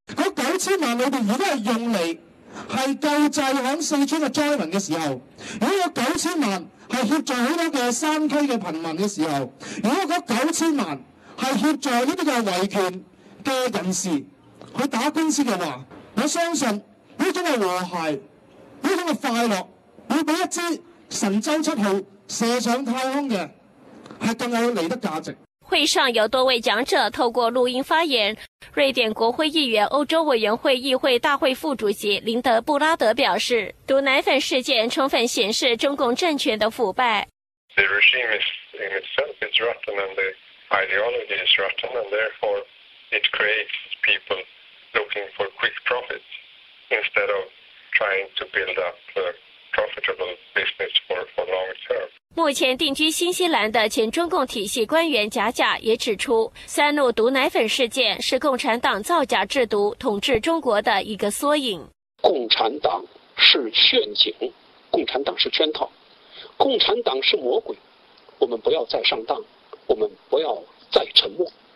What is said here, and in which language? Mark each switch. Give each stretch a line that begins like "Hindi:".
Chinese: 那九千万里面现在是用来是救济在四川的灾民的时候，如果那九千万是协助很多的山区的贫民的时候，如果那九千万是协助这些维权的人士去打官司的话，我相信这种的和谐，这种的快乐会比一支神舟七号射上太空的是更有利的价值。会上有多位讲者透过录音发言，瑞典国会议员、欧洲委员会议会大会副主席林德布拉德表示，毒奶粉事件充分显示中共政权的腐败。
English: The regime is in itself is rotten and the ideology is rotten and therefore it creates people looking for quick profits instead of trying to build up profitable business for long term.
Chinese: 目前定居新西兰的前中共体系官员贾贾也指出，三鹿毒奶粉事件是共产党造假制毒统治中国的一个缩影。共产党是陷阱，共产党是圈套，共产党是魔鬼，我们不要再上当，我们不要再沉默。